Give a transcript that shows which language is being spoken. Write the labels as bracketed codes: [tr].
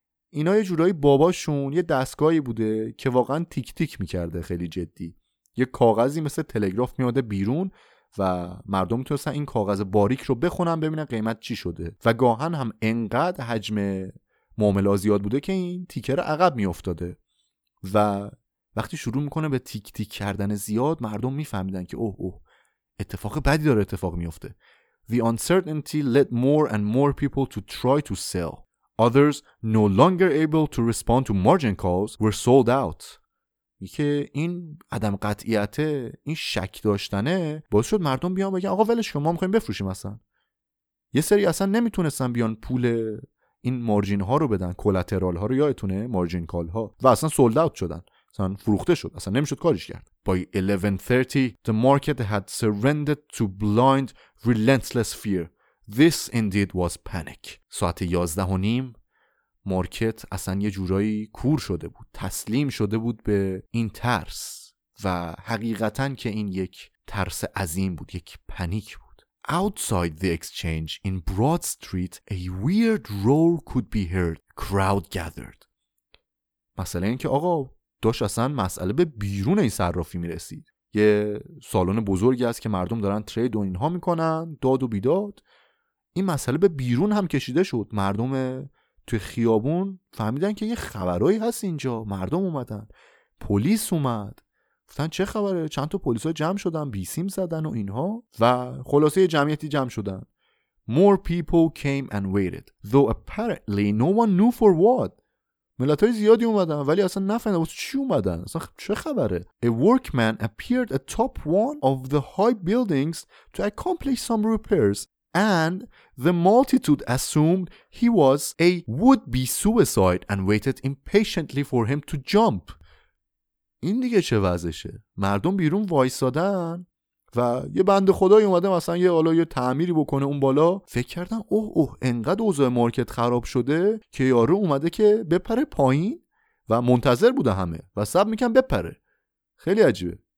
[fa] اینا یه جورایی باباشون یه دستگاهی بوده که واقعا تیک تیک میکرده خیلی جدی، یه کاغذی مثل تلگراف میاده بیرون و مردم میتونستن این کاغذ باریک رو بخونن ببینن قیمت چی شده، و گاهن هم انقدر حجم معامله زیاد بوده که این تیکر عقب میافتاده. و وقتی شروع میکنه به تیک تیک کردن زیاد، مردم میفهمیدن که اوه اوه اتفاق بدی داره اتفاق میافته. [en] The uncertainty led more and more people to try to sell. Others, no longer able to respond to margin calls, were sold out. [fa] که این عدم قطعیت، این شک داشتنه، باعث شد مردم بیان بگن آقا ولش کن ما می‌خوایم بفروشیم اصلا. یه سری اصلا نمیتونستن بیان پول این مارجین ها رو بدن، کلاترال ها رو یادتونه، مارجین کال ها، و اصلا سولد اوت شدن، اصلا فروخته شد، اصلا نمیشد کارش کرد. [en] By 11:30 the market had surrendered to blind relentless fear. This indeed was panic. [fa] ساعت 11:30 مارکت اصلا یه جورایی کور شده بود، تسلیم شده بود به این ترس، و حقیقتاً که این یک ترس عظیم بود، یک پانیک بود. [en] Outside the exchange in Broad Street a weird roar could be heard. Crowd gathered. [fa] مسئله این که آقا داشت اصلا مسئله به بیرون این صرافی میرسید. یه سالن بزرگی هست که مردم دارن ترید و اینها میکنن، داد و بیداد. این مسئله به بیرون هم کشیده شد. مردم توی خیابون فهمیدن که یه خبرایی هست اینجا، مردم اومدن، پلیس اومد، گفتن چه خبره، چند تا پلیس ها جمع شدن، بی سیم زدن و اینها، و خلاصه جمعیتی جمع شدن. [en] More people came and waited, though apparently no one knew for what. [fa] ملت های زیادی اومدن ولی اصلا نفهمیدن واسه چی اومدن، اصلا چه خبره. [en] A workman appeared atop one of the high buildings to accomplish some repairs and the multitude assumed he was a would-be suicide and waited impatiently for him to jump. [fa] این دیگه چه وضعشه؟ مردم بیرون وایسادن و یه بند خدای اومده مثلا یه حالا یه تعمیری بکنه اون بالا. فکر کردن اوه اوه انقدر اوضاع مارکت خراب شده که یارو اومده که بپره پایین، و منتظر بوده همه و سب میکن بپره. خیلی عجیبه.